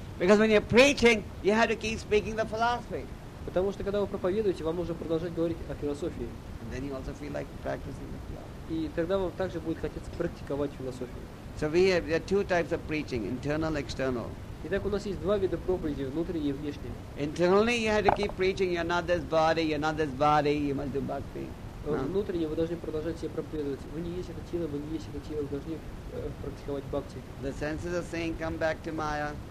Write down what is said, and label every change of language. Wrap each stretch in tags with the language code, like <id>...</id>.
<en>Because when you're preaching, you have to keep speaking the philosophy.</en> <ru>Потому что когда вы проповедуете, вам нужно продолжать говорить о философии.</ru> <en>And then you also feel like practicing the philosophy.</en> <ru>И тогда вам также будет хотеться практиковать философию.</ru> <en>So we have, there are two types of preaching, internal, external.</en> <ru>Итак, у нас есть два вида проповеди, внутренние и внешние.</ru> <en>Internally, you have to keep preaching, you're not this body, you're not this body, you must do bhakti.</en> <ru>Внутренне вы должны продолжать себя проповедовать. Вы не есть это тело, вы не есть это тело, вы должны практиковать бхакти.</ru> <en>The senses are saying, come back to Maya.</en>